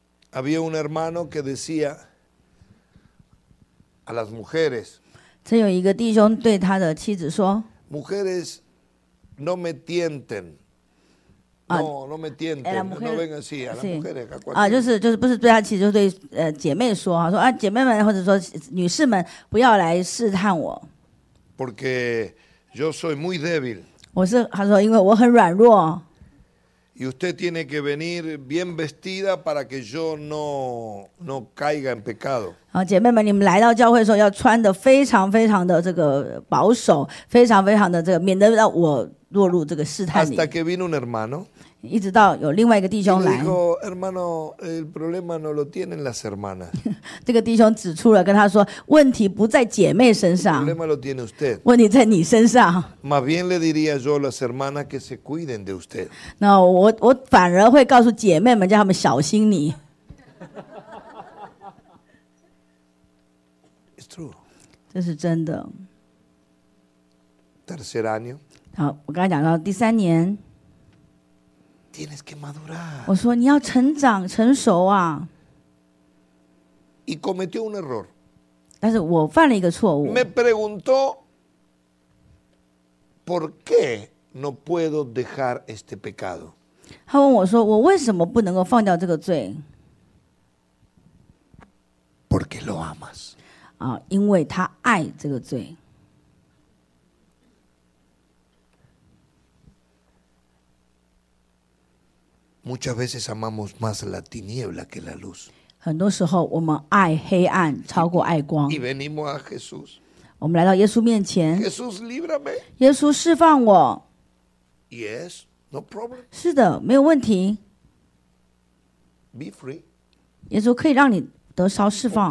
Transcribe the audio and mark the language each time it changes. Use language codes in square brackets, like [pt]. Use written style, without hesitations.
[es] Había un hermano que decía a las mujeres. [zh] 曾有一个弟兄对他的妻子说 [es] ：“Mujeres, no me tienten.” No, no me tienten, no vengan así, a las mujeres. [zh] 就是不是对他妻子，就是对姐妹说，说姐妹们或者说女士们不要来试探我。 [es] Porque yo soy muy débil. [zh] 我是他说，因为我很软弱。 [es] Y usted tiene que venir bien vestida para que yo no caiga en pecado. [zh] 姐妹们，你们来到教会的时候要穿的非常非常的这个保守，非常非常的这个，免得让我落入这个试探里。 [es] Hasta que vino un hermano. [zh] 一直到有另外一个弟兄来。 [es] Dijo, hermano, el problema no lo tienen las hermanas. [zh] 这个弟兄指出了，跟他说，问题不在姐妹身上。 [es] El problema lo tiene usted. [zh] 问题在你身上。 [es] Más bien le diría yo a las hermanas que se cuiden de usted. [zh] 那我反而会告诉姐妹们，叫他们小心你。 [en] It's true. [zh] 这是真的。 [es] Tercer año. [zh] 好，我刚才讲到第三年。 [es] Tienes que madurar. [zh] 我说你要成长成熟啊。 [es] Y cometió un error. [zh] 但是我犯了一个错误。 [es] Me preguntó por qué no puedo dejar este pecado. [zh] 他问我说：“我为什么不能够放掉这个罪？” [es] Porque lo amas. [zh] 啊，因为他爱这个罪。 [es] Muchas veces amamos más la tiniebla que la luz. [zh] 很多时候我们爱黑暗超过爱光。 [es] Y venimos a Jesús. [zh] 我们来到耶稣面前。 [es] Jesús, líbrame. [zh] 耶稣释放我。 [en] Yes, no problem. [zh] 是的，没有问题。 [en] Be free. [zh] 耶稣可以让你得稍释放。